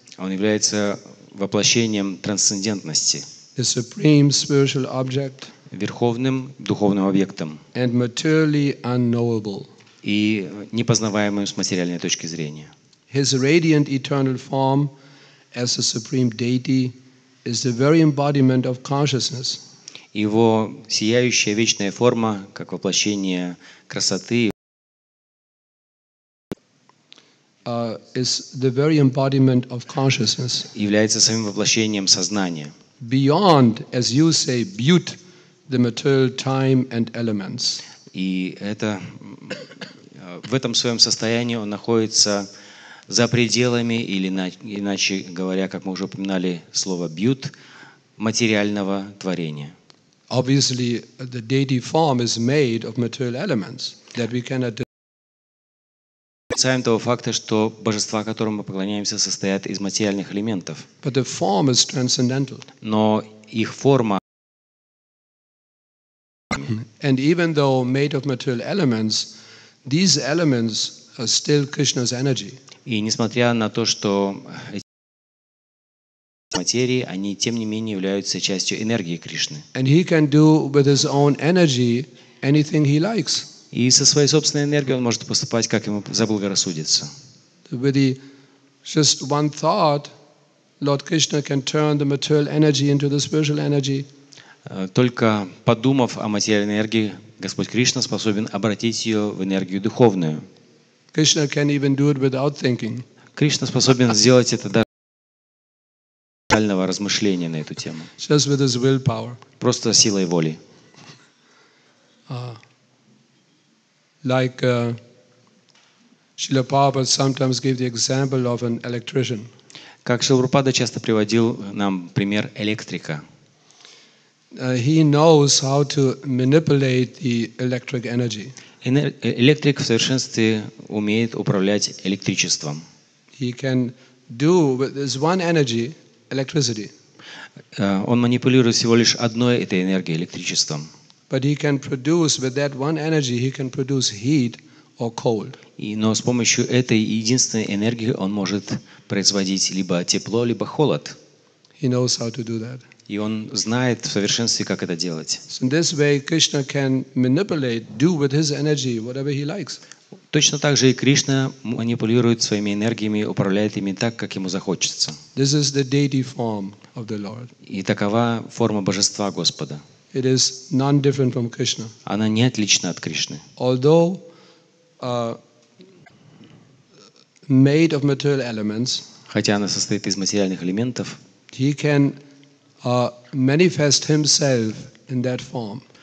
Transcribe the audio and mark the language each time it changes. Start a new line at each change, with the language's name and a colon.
Russian: Он является воплощением трансцендентности.
English: The supreme spiritual object.
Russian: Верховным духовным объектом.
English: And materially unknowable.
Russian: И непознаваемым с материальной точки зрения.
English: His radiant eternal form as the supreme deity is the very embodiment of consciousness.
Russian: Его сияющая вечная форма как воплощение красоты.
English: Is the very embodiment of consciousness.
Russian: Является самим воплощением сознания.
English: Beyond, as you say, but the material time and elements.
Russian: И это в этом своем состоянии он находится за пределами или иначе говоря, как мы уже упоминали слово but материального творения.
English: Obviously, the deity form is made of material elements that we cannot.
Russian: Отрицаем того факта, что божества, которым мы поклоняемся, состоят из материальных элементов.
English: But the form is transcendental.
Russian: Но их форма.
English: And even though made of material elements, these elements are still Krishna's energy.
Russian: И несмотря на то, что эти материи, они тем не менее являются частью энергии Кришны.
English: And he can do with his own energy anything he likes.
Russian: И со своей собственной энергией он может поступать, как ему заблагорассудится. Только подумав о материальной энергии, Господь Кришна способен обратить ее в энергию духовную.
English: Krishna can even do it without thinking.
Russian: Кришна способен сделать это даже без специального размышления на эту тему.
English: Just with his willpower.
Russian: Просто силой воли.
English: Like Srila Prabhupada sometimes gave the example of an electrician.
Russian: Как Шрила Прабхупада часто приводил нам пример электрика.
English: He knows how to manipulate the electric energy.
Russian: Электрик в совершенстве умеет управлять электричеством.
English: He can do with this one energy, electricity.
Russian: Он манипулирует всего лишь одной этой энергией, электричеством.
English: But he can produce with that one energy, he can produce heat or cold.
Russian: Но с помощью этой единственной энергии он может производить либо тепло, либо холод.
English: He knows how to do that.
Russian: И он знает в совершенстве, как это делать.
English: So in this way, Krishna can manipulate, do with his energy whatever he likes.
Russian: Точно так же и Кришна манипулирует своими энергиями, управляет ими так, как ему захочется.
English: This is the deity form of the Lord.
Russian: И такова форма божества Господа.
English: It is non-different from Krishna.
Russian: Она не отлична от Кришны.
English: Although made of material elements,
Russian: хотя она состоит из материальных элементов,
English: he can manifest himself in that form.